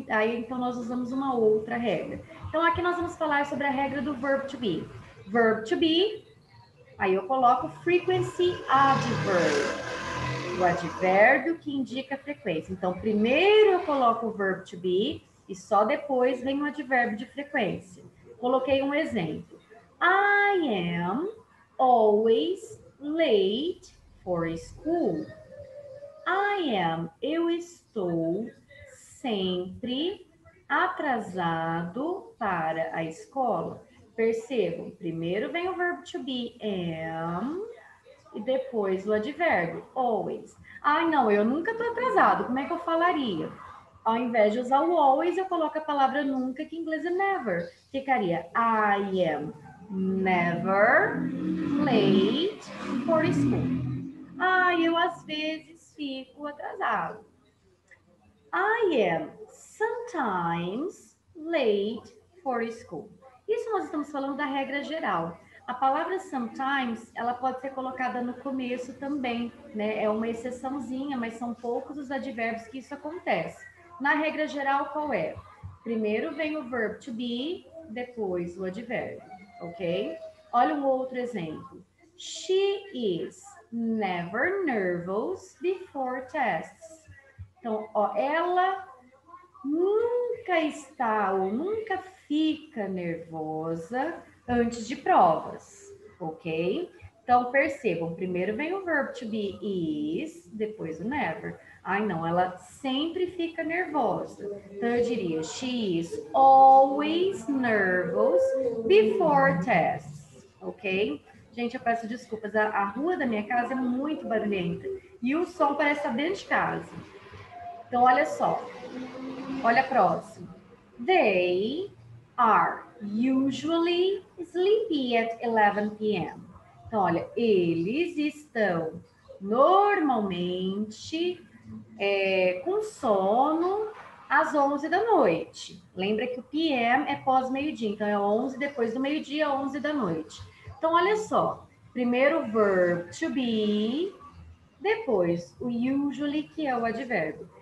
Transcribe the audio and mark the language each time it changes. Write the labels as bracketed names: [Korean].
[Portuguese] Aí então nós usamos uma outra regra. Então aqui nós vamos falar sobre a regra do verb to be. Verb to be, aí eu coloco frequency adverb, o advérbio que indica a frequência. Então primeiro eu coloco o verb to be e só depois vem o advérbio de frequência. Coloquei um exemplo. [English] I am always late for school. I am, [Portuguese] eu estou sempre atrasado para a escola. Percebam, primeiro vem o verbo to be, am, e depois o advérbio, always. Ai, não, eu nunca estou atrasado, como é que eu falaria? Ao invés de usar o always, eu coloco a palavra nunca, que em inglês é never. Ficaria, [English] I am Never late for school. [Portuguese] Ai, eu às vezes fico atrasado. [English] I am sometimes late for school. [Portuguese] Isso nós estamos falando da regra geral. A palavra sometimes, ela pode ser colocada no começo também, né? É uma exceçãozinha, mas são poucos os advérbios que isso acontece. Na regra geral, qual é? Primeiro vem o verb to be, depois o advérbio, ok? Olha um outro exemplo. [English] She is never nervous before tests. [Portuguese] Então, ó, ela nunca está ou nunca fica nervosa antes de provas, ok? Então, percebam, primeiro vem o verb to be is, depois o never. Ai, não, ela sempre fica nervosa. Então, eu diria, [English] she is always nervous before tests, ok? [Portuguese] Gente, eu peço desculpas, a rua da minha casa é muito barulhenta e o som parece estar dentro de casa. Então, olha só, olha a próxima. [English] They are usually sleepy at 11 p.m. [Portuguese] Então, olha, eles estão normalmente com sono às 11 da noite. Lembra que o p.m. é pós-meio-dia, então é 11 depois do meio-dia, 11 da noite. Então, olha só, primeiro verb to be, depois o usually, que é o advérbio.